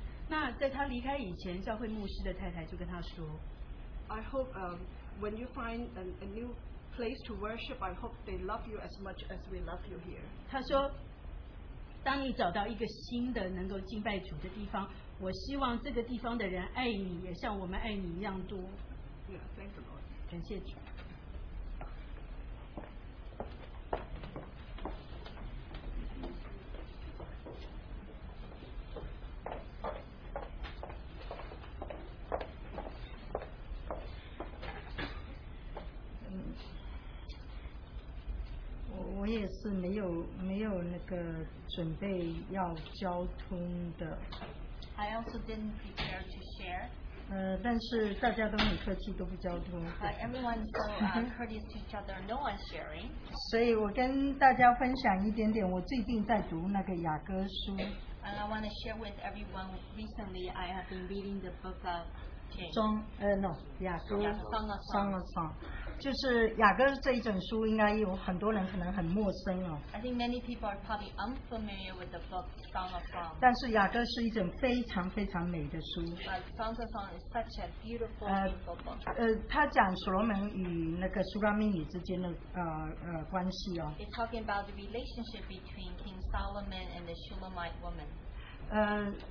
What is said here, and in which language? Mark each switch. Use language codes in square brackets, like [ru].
[zh] 那在他离开以前，教会牧师的太太就跟他说, [en] I hope when you find a new place to worship, I hope they love you as much as we love you here. [zh] 他说，当你找到一个新的能够敬拜主的地方，我希望这个地方的人爱你，也像我们爱你一样多。 [en] Yeah, thank the Lord. [zh] 感谢主。 [en] Thank you. [zh] 是没有那个准备要交通的。 [en] I also didn't prepare to share. [zh] 但是大家都很客气，都不交通。 [en] But everyone so courteous to each other, no one sharing. [zh] 所以我跟大家分享一点点，我最近在读那个雅歌书。 [en] And I want to share with everyone. Recently, I have been reading the book of. [zh] 中 [en] no [zh] 雅歌 [en] song of song [zh] 就是雅歌这一整书应该有很多人可能很陌生哦。 [en] I think many people are probably unfamiliar with the book Song of Song. [zh] 但是雅歌是一整非常非常美的书。 [en] But Song of Song is such a beautiful book. [zh] 他讲所罗门与那个苏拉密女之间的关系哦。 [en] It's talking about the relationship between King Solomon and the Shulamite woman.